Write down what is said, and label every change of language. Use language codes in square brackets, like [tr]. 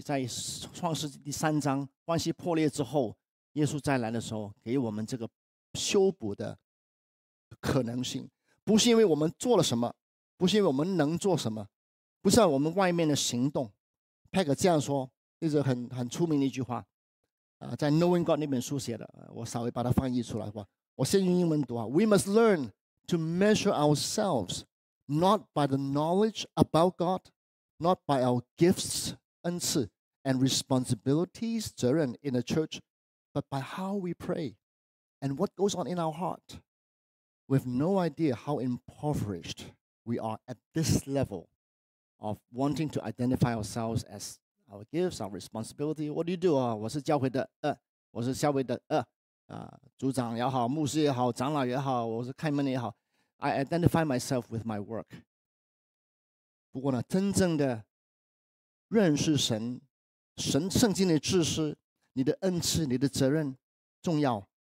[zh] 在创世纪第三章，关系破裂之后，耶稣再来的时候给我们这个修补的可能性。不是因为我们做了什么，不是因为我们能做什么，不是我们外面的行动。 Packer 这样说，一直 很出名的一句话，在 Knowing God 那本书写的，我稍微把它翻译出来，我先用英文读。 [en] We must learn to measure ourselves not by the knowledge about God, not by our gifts, 恩赐 and responsibilities, 责任 in the church, but by how we pray and what goes on in our heart. We have no idea how impoverished we are at this level of wanting to identify ourselves as our gifts, our responsibility. What do you do? [zh] 我是教会的，我是教会的，组长也好，牧师也好，长老也好，我是开门也好， [en] I identify myself with my work. [zh] 不过呢，真正的认识神，神圣经的知识，你的恩赐，你的责任重要。